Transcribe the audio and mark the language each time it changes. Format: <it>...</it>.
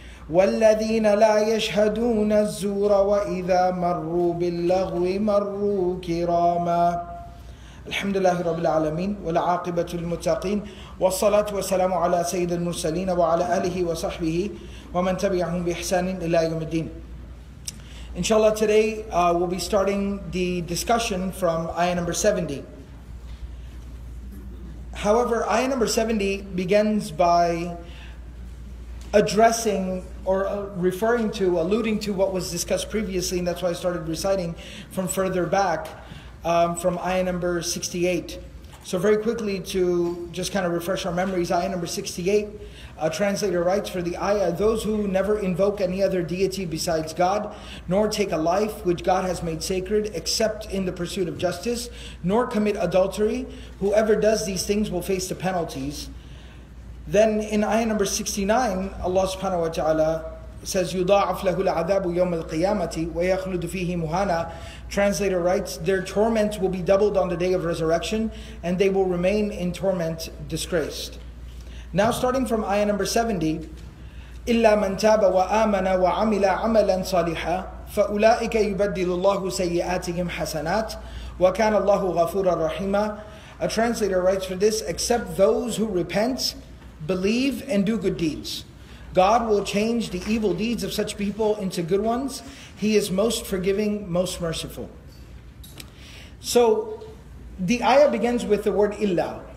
<ar>والذين لا يشهدون الزور وإذا مروا باللغو مروا كراما الحمد لله رب العالمين والعاقبة للمتقين والصلاة والسلام على سيد المرسلين وعلى آله وصحبه ومن تبعهم بإحسان إلى يوم الدين.</ar> <en>Inshallah, today we'll be starting the discussion from ayah number 70. However, ayah number 70 begins by addressing or referring to, alluding to what was discussed previously, and that's why I started reciting from further back, from ayah number 68. So very quickly, to just kind of refresh our memories, ayah number 68, a translator writes for the ayah, those who never invoke any other deity besides God, nor take a life which God has made sacred, except in the pursuit of justice, nor commit adultery, whoever does these things will face the penalties. Then in ayah number 69, Allah subhanahu wa ta'ala says,</en> <ar>يُضَاعَفْ لَهُ الْعَذَابُ يَوْمَ الْقِيَامَةِ وَيَخْلُدُ فِيهِ مُهَانًا.</ar> <en>Translator writes, their torment will be doubled on the day of resurrection, and they will remain in torment, disgraced. Now starting from ayah number 70,</en> <ar>إِلَّا مَنْ تَابَ وَآمَنَ وَعَمِلَ عَمَلًا صَالِحًا فَأُولَٰئِكَ يُبَدِّلُ اللَّهُ سَيِّئَاتِهِمْ حَسَنَاتٍ وَكَانَ اللَّهُ غَفُورًا رَحِيمًا.</ar> <en>A translator writes for this, except those who repent, believe, and do good deeds, God will change the evil deeds of such people into good ones. He is most forgiving, most merciful. So the ayah begins with the word illa.</en>